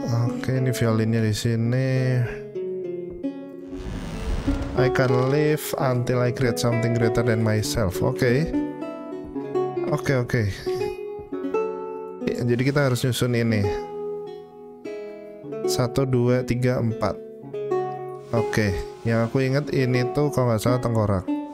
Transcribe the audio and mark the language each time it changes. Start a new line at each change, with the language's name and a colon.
Indonesian: Oke, ini violinnya di sini.
English: I can live until I create something greater than myself.
Indonesian: Oke. Jadi kita harus nyusun ini. 1, 2, 3, 4. Oke, yang aku ingat ini tuh kalau nggak salah tengkorak.